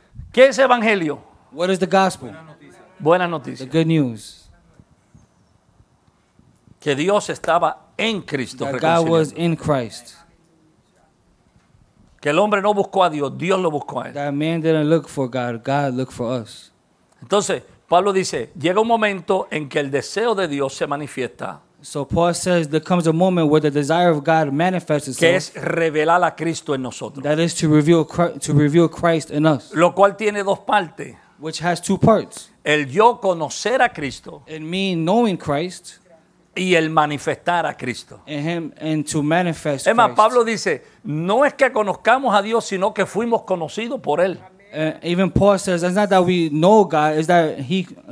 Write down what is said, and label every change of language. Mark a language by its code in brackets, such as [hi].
[es] ¿Qué es evangelio? [en] What is the gospel? [es] Buena noticia. [en] The good news. [es] Que Dios estaba en Cristo. [en] That God was in Christ. [es] Que el hombre no buscó a Dios, Dios lo buscó a él. [en] That man didn't look for God, God looked for us. [es] Entonces, Pablo dice, llega un momento en que el deseo de Dios se manifiesta. [en] So Paul says there comes a moment where the desire of God manifests itself. [es] Que es revelar a Cristo en nosotros. [en] That is to reveal Christ in us. [es] Lo cual tiene dos partes. [en] Which has two parts. [es] El yo conocer a Cristo. [en] And me knowing Christ. [es] Y el manifestar a Cristo. [en] And him, and to manifest Emma, Christ. [es] Pablo dice, no es que conozcamos a Dios, sino que fuimos conocidos por él. [en] Even Paul says, it's not that we know God, it's that he